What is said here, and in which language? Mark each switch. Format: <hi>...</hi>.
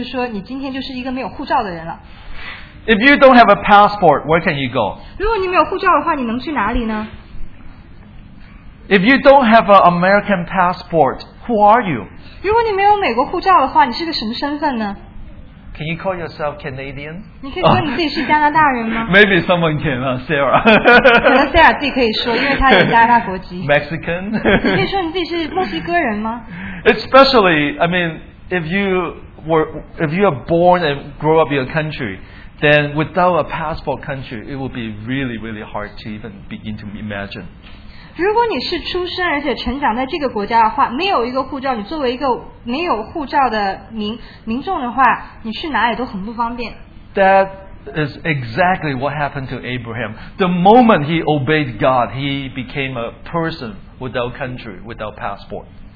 <zh>如果我用现在的语言跟你翻译一下，那个意思就是说你今天就是一个没有护照的人了。</zh> <en>If you don't have a passport, where can you go?</en> <zh>如果你没有护照的话，你能去哪里呢？</zh> <en>If you don't have an American passport, who are you?</en> <zh>如果你没有美国护照的话，你是个什么身份呢？</zh> <en>Can you call yourself Canadian?</en> <zh>你可以说你自己是加拿大人吗？</zh> <en>Maybe someone can, Sarah.</en> <zh>可能Sarah自己可以说，因为她有加拿大国籍。</zh> <en>Mexican?</en> <zh>你可以说你自己是墨西哥人吗？</zh> <en>Especially, I mean, if you if you are born and grow up in a country, then without a passport country, it would be really, really hard to even begin to imagine.</en> <zh>如果你是出生而且成长在这个国家的话，没有一个护照，你作为一个没有护照的民众的话，你去哪里都很不方便。</zh> <en>That is exactly what happened to Abraham. The moment he obeyed God, he became a person without country, without passport.</en>